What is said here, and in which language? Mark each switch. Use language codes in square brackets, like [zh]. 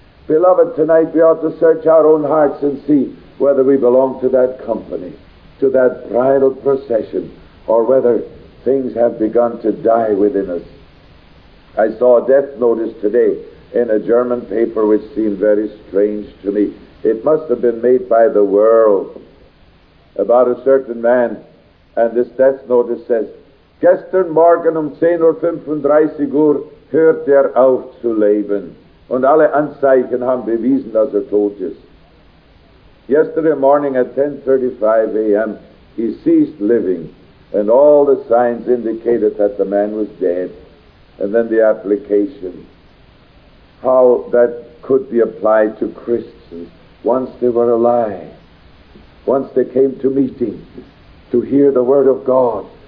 [en] Beloved, tonight we ought to search our own hearts and see whether we belong to that company, to that bridal procession, or whether things have begun to die within us. I saw a death notice today in a German paper which seemed very strange to me. It must have been made by the world, about a certain man. [de] And this death notice says, gestern morgen um 10:35 Uhr hört auf zu leben. Und alle Anzeichen haben bewiesen, dass tot ist. [en] Yesterday morning at 10:35 a.m., he ceased living, and all the signs indicated that the man was dead. And then the application, how that could be applied to Christians once they were alive, once they came to meeting to hear the word of God.